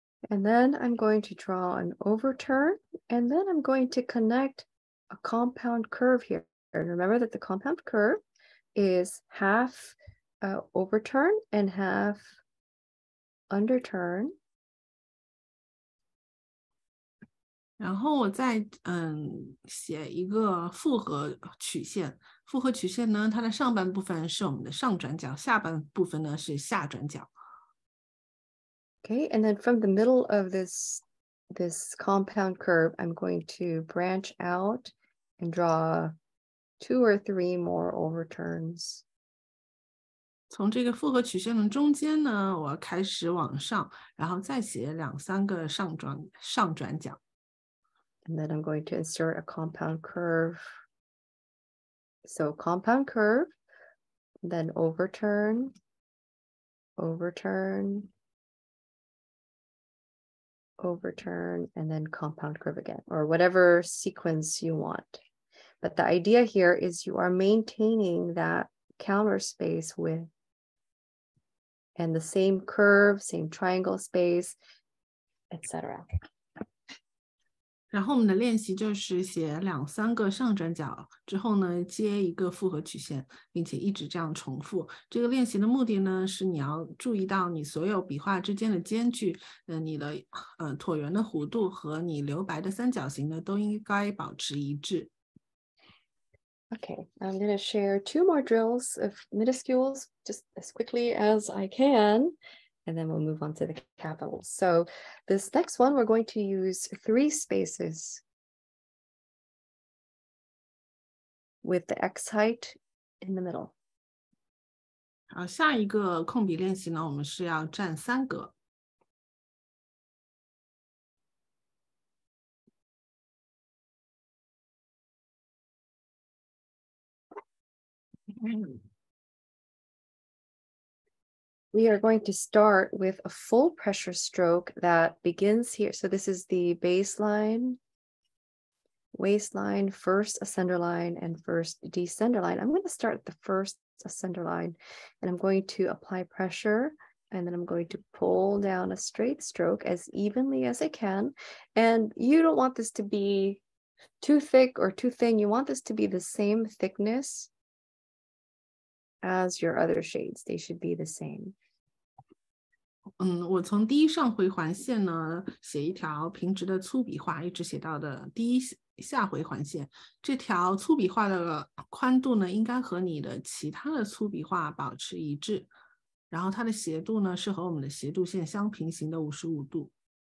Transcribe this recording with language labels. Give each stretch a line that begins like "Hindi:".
English: And then I'm going to draw an overturn, and then I'm going to connect a compound curve here. And remember that the compound curve is half overturn and half underturn.
Chinese: 然后我再写一个复合曲线。复合曲线呢，它的上半部分是我们的上转角，下半部分呢是下转角。
English: Okay, and then from the middle of this compound curve, I'm going to branch out and draw two or three more overturns.
Chinese: 从这个复合曲线的中间呢，我开始往上，然后再写两三个上转角。
English: And then I'm going to insert a compound curve. So compound curve, then overturn, and then compound curve again, or whatever sequence you want. But the idea here is you are maintaining that counter space width and the same curve, same triangle space, etc.
Chinese: 然后我们的练习就是写两三个上转角之后呢，接一个复合曲线，并且一直这样重复。这个练习的目的呢，是你要注意到你所有笔画之间的间距，你的椭圆的弧度和你留白的三角形呢，都应该保持一致。
English: Okay, I'm going to share two more drills of minuscules just as quickly as I can. And then we'll move on to the capitals. So this next one, we're going to use three spaces with the X height in the middle.
Chinese: 好，下一个控笔练习呢，我们是要占三格。
English: We are going to start with a full pressure stroke that begins here. So this is the baseline, waistline, first ascender line, and first descender line. I'm going to start at the first ascender line, and I'm going to apply pressure, and then I'm going to pull down a straight stroke as evenly as I can. And you don't want this to be too thick or too thin. You want this to be the same thickness as your other shades. They should be the same.
Chinese: 我从第一上回环线呢写一条平直的粗笔画，一直写到的第一下回环线。这条粗笔画的宽度呢，应该和你的其他的粗笔画保持一致。然后它的斜度呢，是和我们的斜度线相平行的55度。